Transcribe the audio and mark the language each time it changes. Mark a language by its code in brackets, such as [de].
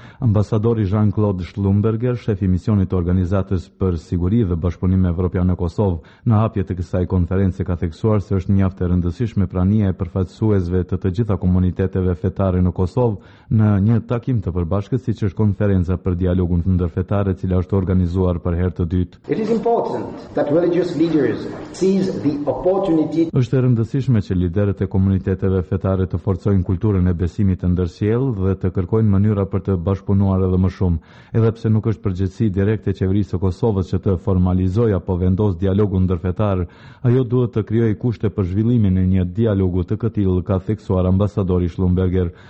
[sq] Ambasadori Jean-Claude Schlumberger, shefi misionit të organizatës për siguri dhe bashkëpunim evropian në Kosovë, në hapje të kësaj konference ka theksuar se është mjaft e rëndësishme prania e përfaqësuesve të gjitha komuniteteve fetare në Kosovë në një takim të përbashkët siç është konferenca për dialogun ndërfetar e cila është organizuar për herë të dytë. [en] It is important that religious leaders seize the opportunity. [sq] Është e rëndësishme që liderët e komuniteteve fetare të forcojnë kulturën e besimit të ndërsjell dhe të kërkojnë mënyra për të bashkëpunuar edhe më shumë, edhe pse nuk është përgjegjësi direkte e qeverisë së Kosovës që të formalizojë apo vendos dialogun ndërfetar, ajo duhet të krijojë kushte për zhvillimin e një dialogu të këtill, ka thënë suar ambasadori Schlumberger.